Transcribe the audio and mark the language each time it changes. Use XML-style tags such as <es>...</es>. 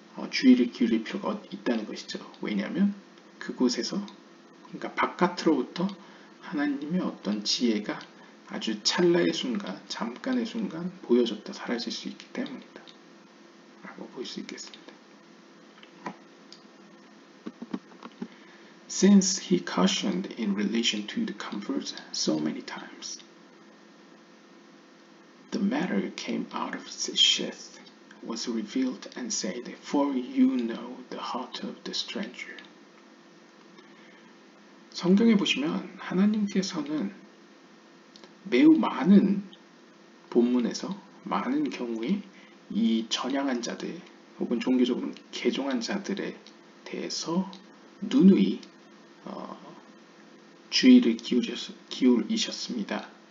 <ko>주의를 기울일 필요가 있다는 것이죠. 왜냐하면 그곳에서, 그러니까 바깥으로부터 하나님의 어떤 지혜가 아주 찰나의 순간, 잠깐의 순간 보여졌다 사라질 수 있기 때문이다 라고 볼 수 있겠습니다.</ko> <en>Since he cautioned in relation to the converts so many times, the matter came out of Sheth, was revealed and said, For you know the heart of the stranger.</en> <ko>성경에 보시면 하나님께서는 매우 많은 본문에서 많은 경우에 이 전향한 자들 혹은 종교적으로 개종한 자들에 대해서 누누이 주의를 기울이셨습니다.</ko>